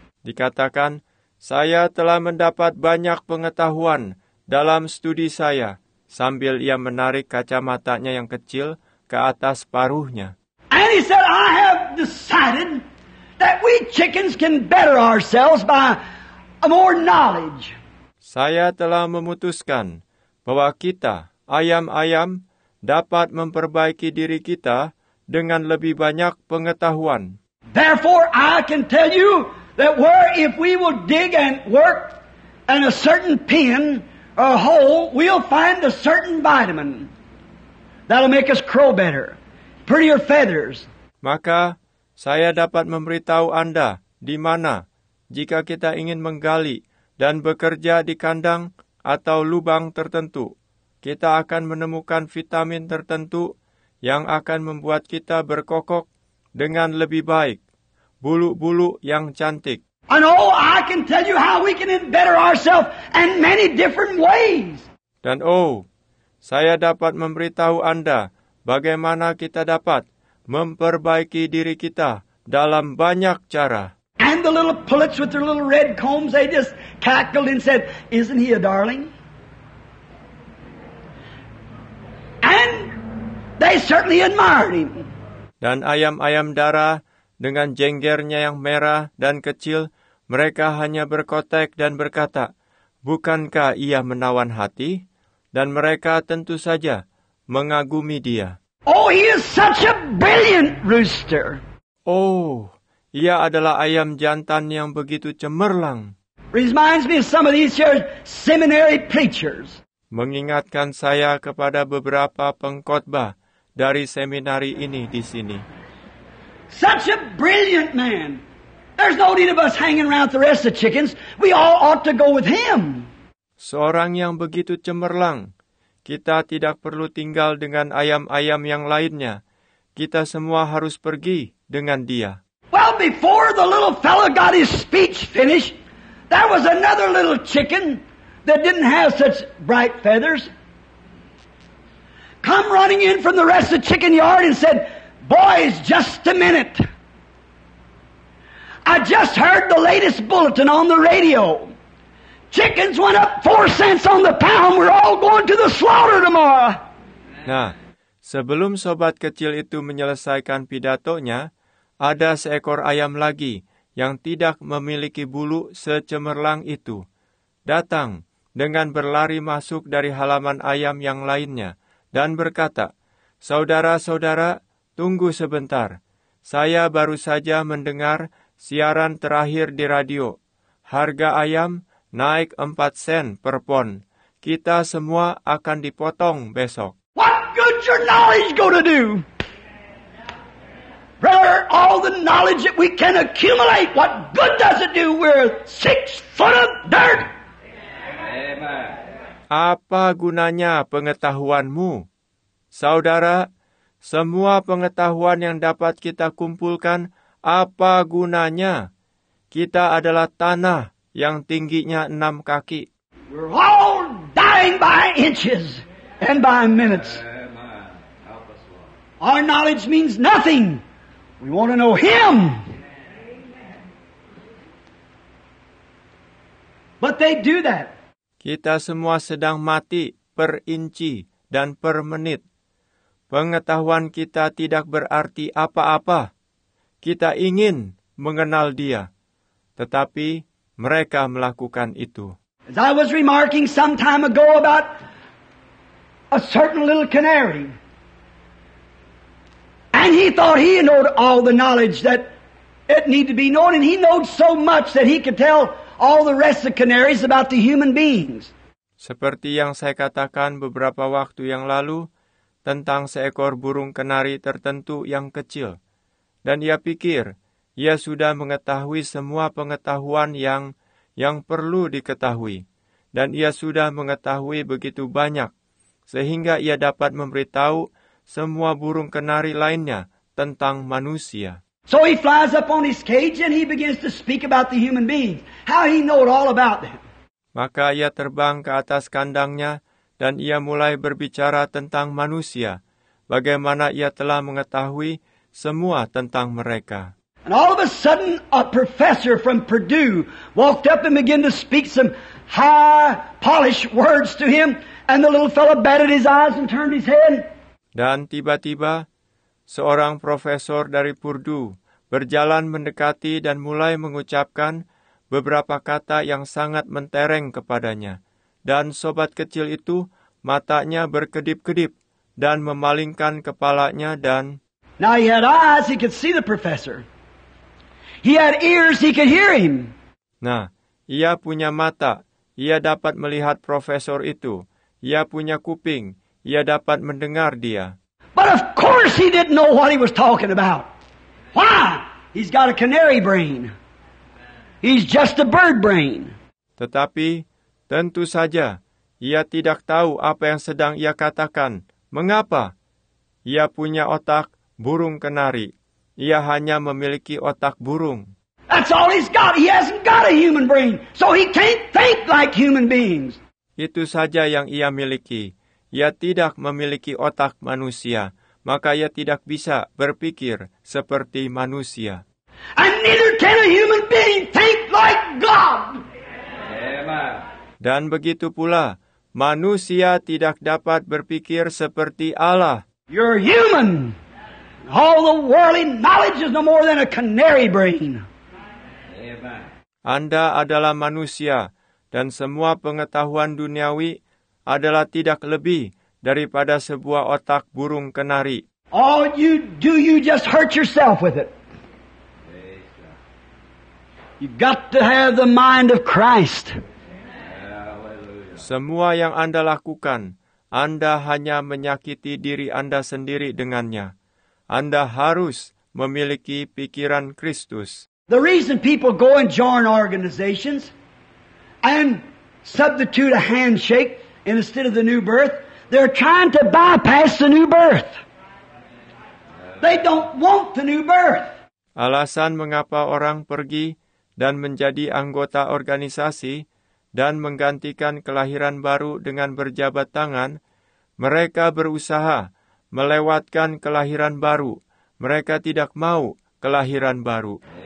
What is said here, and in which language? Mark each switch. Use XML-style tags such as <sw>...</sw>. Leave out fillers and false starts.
<id>Dikatakan, "Saya telah mendapat banyak pengetahuan dalam studi saya," sambil ia menarik kacamatanya yang kecil ke atas paruhnya.</id> <en>And he said, "I have decided that we chickens can better ourselves by more knowledge."</en> <id>Saya telah memutuskan bahwa kita, ayam-ayam, dapat memperbaiki diri kita dengan lebih banyak pengetahuan.</id> <en>Therefore, I can tell you that if we will dig and work and a certain pen, a hole, we'll find a certain vitamin that'll make us crow better, prettier feathers.</en> <id>Maka, saya dapat memberitahu Anda di mana jika kita ingin menggali dan bekerja di kandang atau lubang tertentu, kita akan menemukan vitamin tertentu yang akan membuat kita berkokok dengan lebih baik, bulu-bulu yang cantik.</id> <en>And oh, I can tell you how we can better ourselves in many different ways.</en> <id>Dan oh, saya dapat memberitahu Anda bagaimana kita dapat memperbaiki diri kita dalam banyak cara.</id> <en>And the little pullets with their little red combs, they just cackled and said, "Isn't he a darling?" And they certainly admired him.</en> <id>Dan ayam-ayam dara dengan jenggernya yang merah dan kecil, mereka hanya berkotek dan berkata, "Bukankah ia menawan hati?" Dan mereka tentu saja mengagumi dia.</id> <en>Oh, he is such a brilliant rooster.</en> <id>Oh, ia adalah ayam jantan yang begitu cemerlang.</id> <en>Reminds me of some of these here seminary preachers.</en> <id>Mengingatkan saya kepada beberapa pengkhotbah dari seminari ini di sini.</id> <en>Such a brilliant man. There's no need of us hanging around the rest of chickens. We all ought to go with him.</en> <id>Seorang yang begitu cemerlang. Kita tidak perlu tinggal dengan ayam-ayam yang lainnya. Kita semua harus pergi dengan dia.</id> <en>Well, before the little fellow got his speech finished, there was another little chicken that didn't have such bright feathers. Come running in from the rest of the chicken yard and said, "Boys, just a minute. I just heard the latest bulletin on the radio. Chickens went up 4 cents on the pound. We're all going to the slaughter tomorrow."</en> <id>Nah, sebelum sobat kecil itu menyelesaikan pidatonya, ada seekor ayam lagi yang tidak memiliki bulu secemerlang itu. Datang dengan berlari masuk dari halaman ayam yang lainnya dan berkata, "Saudara-saudara, tunggu sebentar. Saya baru saja mendengar siaran terakhir di radio. Harga ayam naik 4 sen per pon. Kita semua akan dipotong besok."</id> <en>What good your knowledge going to do? Brother, all the knowledge that we can accumulate, what good does it do? We're 6 foot of dirt. Amen.</en> <id>Apa gunanya pengetahuanmu? Saudara, semua pengetahuan yang dapat kita kumpulkan, apa gunanya? Kita adalah tanah yang tingginya 6 kaki.</id> <en>We're all dying by inches and by minutes. Our knowledge means nothing. We want to know him. But they do that.</en> <id>Kita semua sedang mati per inci dan per menit. Pengetahuan kita tidak berarti apa-apa. Kita ingin mengenal dia. Tetapi mereka melakukan itu.</id> <en>As I was remarking some time ago about a certain little canary. And he thought he knew all the knowledge that it needed to be known. And he knew so much that he could tell all the rest of canaries about the human beings.</en> <id>Seperti yang saya katakan beberapa waktu yang lalu, tentang seekor burung kenari tertentu yang kecil. Dan ia pikir, ia sudah mengetahui semua pengetahuan yang perlu diketahui. Dan ia sudah mengetahui begitu banyak, sehingga ia dapat memberitahu semua burung kenari lainnya tentang manusia.</id> <en>So he flies up on his cage and he begins to speak about the human beings, how he knows all about them.</en> <id>Maka ia terbang ke atas kandangnya dan ia mulai berbicara tentang manusia, bagaimana ia telah mengetahui semua tentang mereka.</id> <en>And all of a sudden, a professor from Purdue walked up and began to speak some high, polished words to him. And the little fellow batted his eyes and turned his head.</en> <id>Dan tiba-tiba, seorang profesor dari Purdue berjalan mendekati dan mulai mengucapkan beberapa kata yang sangat mentereng kepadanya. Dan sobat kecil itu, matanya berkedip-kedip dan memalingkan kepalanya dan...</id> <en>Now he had eyes, he could see the professor. He had ears, he could hear him.</en> <id>Nah, ia punya mata ia dapat melihat profesor itu. Ia punya kuping, ia dapat mendengar dia.</id> <en>But of course he didn't know what he was talking about. Why? He's got a canary brain. He's just a bird brain.</en> <id>Tetapi tentu saja ia tidak tahu apa yang sedang ia katakan. Mengapa? Ia punya otak burung kenari. Ia hanya memiliki otak burung.</id> <en>That's all he's got. He hasn't got a human brain. So he can't think like human beings.</en> <id>Itu saja yang ia miliki. Ia tidak memiliki otak manusia. Maka ia tidak bisa berpikir seperti manusia.</id> <en>And neither can a human being think like God. Amen.</en> <id>Dan begitu pula, manusia tidak dapat berpikir seperti Allah.</id> <en>You're human. All the worldly knowledge is no more than a canary brain. Amen.</en> <id>Anda adalah manusia, dan semua pengetahuan duniawi adalah tidak lebih daripada sebuah otak burung kenari.</id> <en>All you do, you just hurt yourself with it. You got to have the mind of Christ.</en> <id>Semua yang Anda lakukan, Anda hanya menyakiti diri Anda sendiri dengannya. Anda harus memiliki pikiran Kristus.</id> <en>The reason people go and join organizations and substitute a handshake instead of the new birth, they're trying to bypass the new birth. They don't want the new birth.</en> <id>Alasan mengapa orang pergi dan menjadi anggota organisasi dan menggantikan kelahiran baru dengan berjabat tangan, mereka berusaha melewatkan kelahiran baru. Mereka tidak mau kelahiran baru.</id>